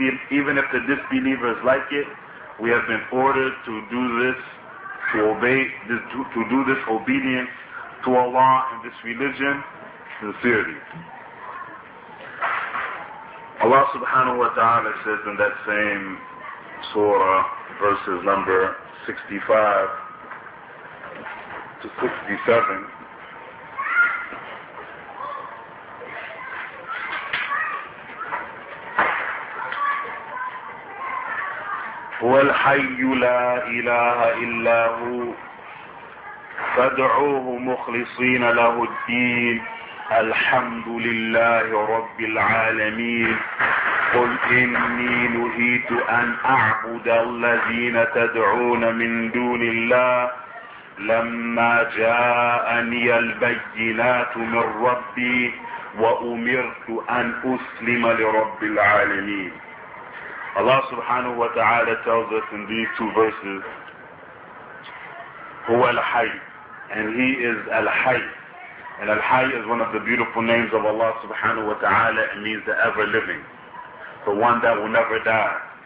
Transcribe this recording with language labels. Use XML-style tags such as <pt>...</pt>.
<en>Even if the disbelievers like it, we have been ordered to do this, to do this obedience to Allah in this religion sincerely. Allah subhanahu wa ta'ala says in that same surah, verses number 65 to 67,</en> <ar>هو الحي لا إله إلا هو فادعوه مخلصين له الدين الحمد لله رب العالمين قل إني نهيت أن أعبد الذين تدعون من دون الله لما جاءني البينات من ربي وأمرت أن أسلم لرب العالمين.</ar> <en>Allah subhanahu wa ta'ala tells us in these two verses,</en> <ar>Huwa al-Hayy,</ar> <en>and He is al-Hayy. And al-Hayy is one of the beautiful names of Allah subhanahu wa ta'ala. It means the ever-living, the one that will never die.</en>